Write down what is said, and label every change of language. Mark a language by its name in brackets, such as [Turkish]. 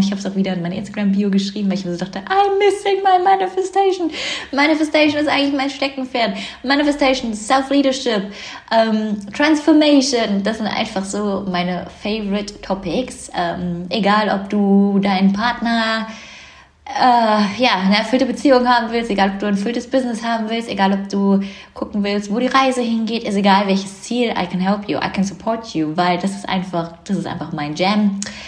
[German] Ich habe es auch wieder in mein Instagram-Bio geschrieben, weil ich mir so dachte, [English] I'm missing my Manifestation. [German] Manifestation ist eigentlich mein Steckenpferd. Manifestation, Self-Leadership, Transformation. Das sind einfach so meine Favorite Topics. Egal, ob du deinen Partner eine erfüllte Beziehung haben willst, egal ob du ein erfülltes Business haben willst, egal ob du gucken willst, wo die Reise hingeht, ist egal welches Ziel, [English] I can help you, I can support you, [German] weil das ist einfach mein Jam.